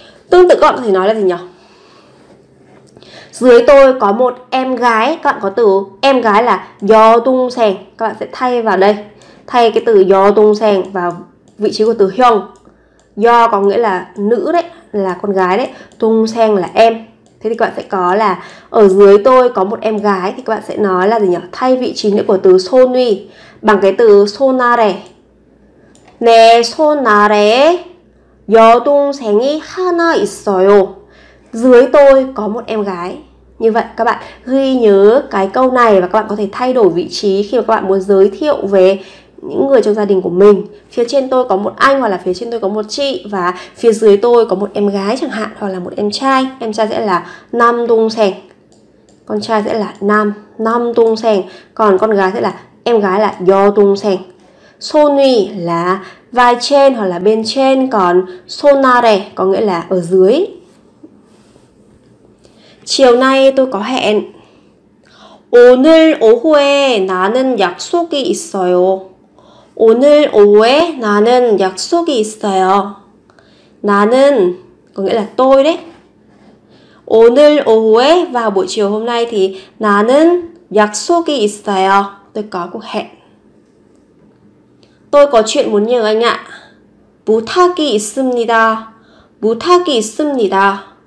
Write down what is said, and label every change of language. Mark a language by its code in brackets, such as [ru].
[vi] Tương tự các bạn có thể nói là gì nhỉ? Dưới tôi có một em gái, các bạn có từ em gái là 여동생, các bạn sẽ thay vào đây, thay cái từ 여동생 vào vị trí của từ 형. 여 có nghĩa là nữ đấy, là con gái đấy, 동생 là em. Thế thì các bạn sẽ có là ở dưới tôi có một em gái, thì các bạn sẽ nói là gì nhỉ? Thay vị trí nữa của từ 손위 bằng cái từ 손아래. [ko] 내 손아래 여동생이 하나 있어요. [vi] Dưới tôi có một em gái. Như vậy các bạn ghi nhớ cái câu này và các bạn có thể thay đổi vị trí khi mà các bạn muốn giới thiệu về những người trong gia đình của mình. Phía trên tôi có một anh hoặc là phía trên tôi có một chị, và phía dưới tôi có một em gái chẳng hạn, hoặc là một em trai. Em trai sẽ là nam tung sèn, con trai sẽ là nam, nam tung sèn, còn con gái sẽ là em gái là do tung sèn. Sô nuy là vai trên hoặc là bên trên, còn sô na rè có nghĩa là ở dưới. Chiều nay tôi có hẹn. [ko] 오늘 오후에 나는 약속이 있어요. 오늘 오후에 나는 약속이 있어요. 나는 [vi] có nghĩa là tôi đấy. [ko] 오늘 오후에 [vi] vào buổi chiều hôm nay thì [ko] 나는 약속이 있어요. [vi] Tôi có cuộc hẹn. Tôi có chuyện muốn nhờ anh ạ. [ko] 부탁이 있습니다. 부탁이 있습니다.